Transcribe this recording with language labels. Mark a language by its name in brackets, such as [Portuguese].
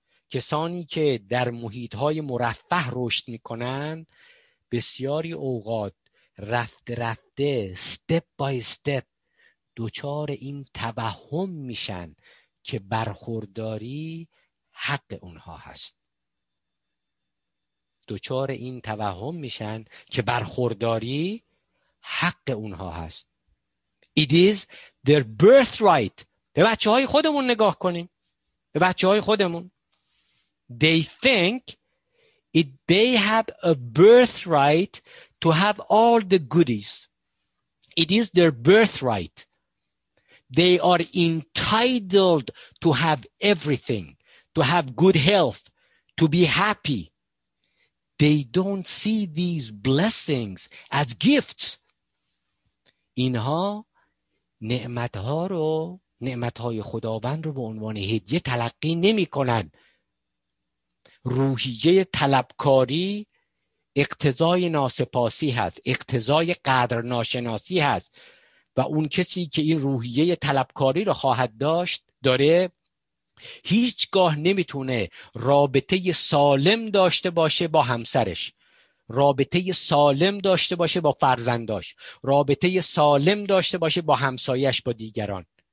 [Persian] کسانی که در محیط‌های مرفه رشد می‌کنند، بسیاری اوقات رفته رفته [English] step by step [Persian] دچار این توهم میشن که برخورداری حق اونها هست. دچار این توهم میشن که برخورداری حق اونها هست. [English] It is their birthright. [Persian] به بچه‌های خودمون نگاه کنیم. به بچه‌های خودمون. [English] they think it they have a birthright to have all the goodies. It is their birthright. They are entitled to have everything, to have good health, to be happy. They don't see these blessings as gifts. [Persian] اینها نعمتها رو نعمتهای خداوند رو به عنوان هدیه تلقی نمی کنن. روحیه طلبکاری اقتضای ناسپاسی هست، اقتضای قدر ناشناسی هست، و اون کسی که این روحیه طلبکاری رو خواهد داشت داره هیچگاه نمیتونه رابطه سالم داشته باشه با همسرش، رابطه سالم داشته باشه با فرزنداش، رابطه سالم داشته باشه با همسایش، با دیگران.